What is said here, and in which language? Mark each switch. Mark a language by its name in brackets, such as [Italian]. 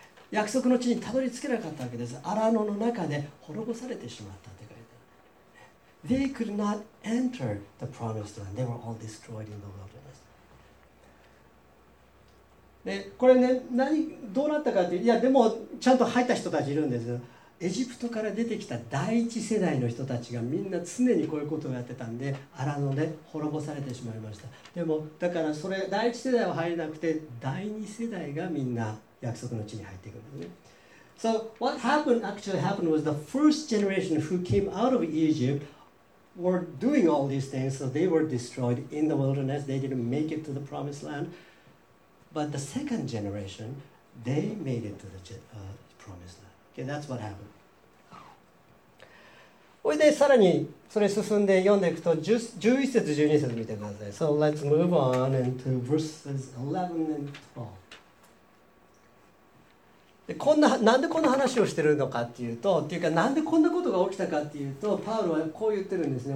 [Japanese] 約束の地にたどり着けなかったわけです。荒野の中で滅ぼされてしまったって書いてある。 [English] They could not enter the promised land. They were all destroyed in the wilderness. [Japanese] でこれね、何どうなったかって、いやでもちゃんと入った人たちいるんですよ。エジプトから出てきた第一世代の人たちがみんな常にこういうことをやってたんで、アラノで滅ぼされてしまいました。でもだからそれ第一世代は入れなくて、第二世代がみんな約束の地に入っていくんですね。 [English] So what happened actually happened was the first generation who came out of Egypt were doing all these things, so they were destroyed in the wilderness. They didn't make it to the promised landBut the second generation, they made it to the promised land. Okay, that's what happened. [Japanese] それでさらにそれ進んで読んでいくと、11節、12節見てください。 [English] So let's move on into verses 11 and 12. [Japanese] で、こんな、なんでこんな話をしてるのかっていうと、っていうかなんでこんなことが起きたかっていうと、パウロはこう言ってるんですね。